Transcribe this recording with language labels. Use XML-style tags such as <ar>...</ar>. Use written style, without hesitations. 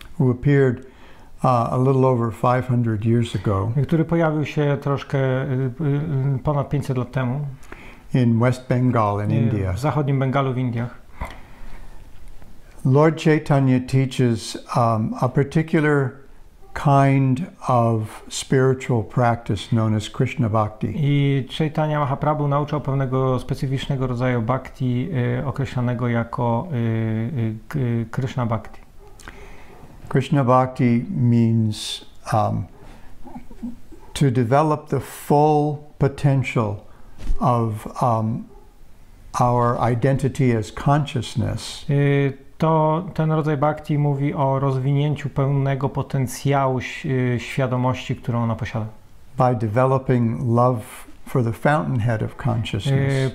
<en>Who appeared a little over 500 years ago.</en> <pl>Który pojawił się troszkę ponad 500 lat temu.</pl> <en>In West Bengal in India.</en> <pl>W zachodnim Bengalu w Indiach.</pl> <en>Lord Chaitanya teaches a particular kind of spiritual practice known as Krishna Bhakti.</en> <pl>I Chaitanya Mahaprabhu nauczał pewnego specyficznego rodzaju bhakti, określanego jako Krishna Bhakti.</pl> <en>Krishna Bhakti means to develop the full potential of our identity as consciousness.</en> <pl>Ten rodzaj bhakti mówi o rozwinięciu pełnego potencjału świadomości, którą ona posiada.</pl> <en>By developing love for the fountainhead of consciousness.</en>